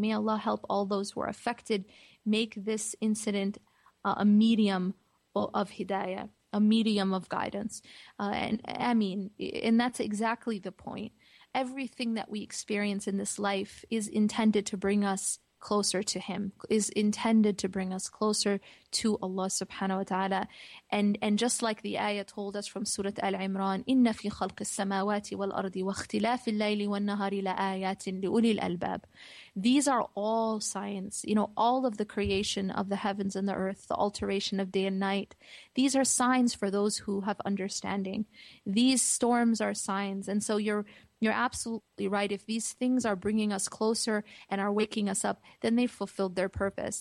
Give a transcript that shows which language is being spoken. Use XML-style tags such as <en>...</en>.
<en>May Allah help all those who are affected. Make this incident a medium of hidayah, a medium of guidance. And that's exactly the point. Everything that we experience in this life is intended to bring us closer to Him, is intended to bring us closer to Allah subhanahu wa ta'ala. And just like the ayah told us from Surah Al-Imran,</en> <ar>إِنَّ فِي خَلْقِ السَّمَاوَاتِ وَالْأَرْضِ وَاخْتِلَافِ اللَّيْلِ وَالنَّهَارِ لَآيَاتٍ لِأُولِي الْأَلْبَابِ.</ar> <en>These are all signs, you know, all of the creation of the heavens and the earth, the alteration of day and night. These are signs for those who have understanding. These storms are signs. And so you're absolutely right. If these things are bringing us closer and are waking us up, then they've fulfilled their purpose.</en>